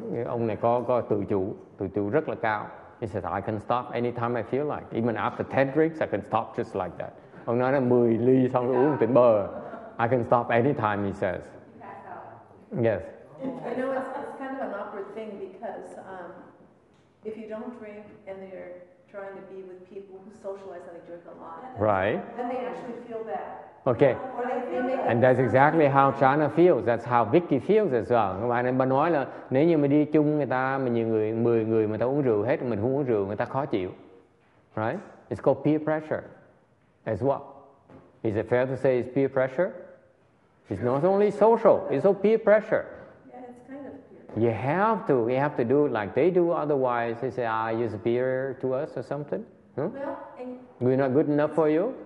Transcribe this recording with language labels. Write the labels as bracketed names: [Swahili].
[Vietnamese] Ông này có tự chủ rất là cao. [English] He says, I can stop anytime I feel like. Even after 10 drinks, I can stop just like that. [Vietnamese] Ông nói là 10 ly xong rồi uống tỉnh bơ. [English] I can stop anytime, he says. Yes. I know it's kind of an awkward thing because if you don't drink and you're trying to be with people who socialize like drink a lot. Right. Then they actually feel bad. Okay. And that's exactly how China feels. That's how Vicky feels as well. [Vietnamese] Các bạn nên nói là nếu như mình đi chung người ta, mình nhiều người, 10 người mà ta uống rượu hết, mình không uống rượu, người ta khó chịu. [English] Right? It's called peer pressure as well. Is it fair to say it's peer pressure? It's not only social, it's also peer pressure. Yeah, it's kind of peer. You have to do it like they do, otherwise they say, ah, you're superior to us or something. Hmm? Well, and we're not good enough for you?